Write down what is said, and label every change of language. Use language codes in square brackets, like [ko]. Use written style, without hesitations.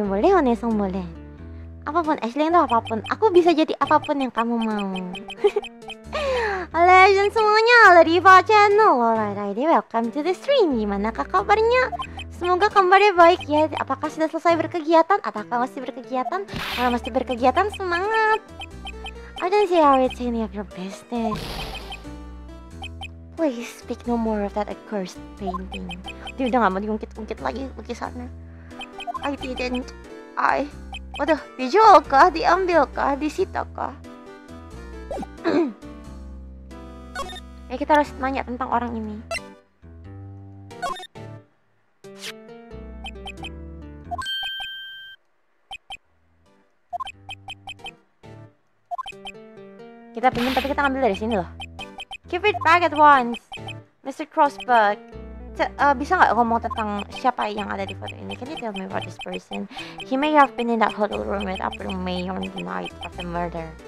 [id] Boleh onesan boleh. Apapun, Aisling tuh apapun. Aku bisa jadi apapun yang kamu mau. Halo Aisling semuanya, halo Diva Channel. [en] Alright, Aisling, welcome to the stream. [id] Gimana kabarnya? Semoga kabarnya baik ya. Apakah sudah selesai berkegiatan? Apakah masih berkegiatan? Kalau masih berkegiatan, semangat. [en] I don't see how it's any of your business. Please speak no more of that accursed painting. [id] Dia udah gak mau diungkit-ungkit lagi lukisannya. [en] I didn't. I... [id] Waduh, dijual kah? Diambil kah? Disita kah? Ya kita harus nanya tentang orang ini. Kita pinjam tapi kita ngambil dari sini loh. [en] Keep it back at once, Mr. Crossbuck. [id] Bisa nggak ngomong tentang siapa yang ada di foto ini? [en] Can you tell me about this person? He may have been in that hotel room with April May on the night of the murder.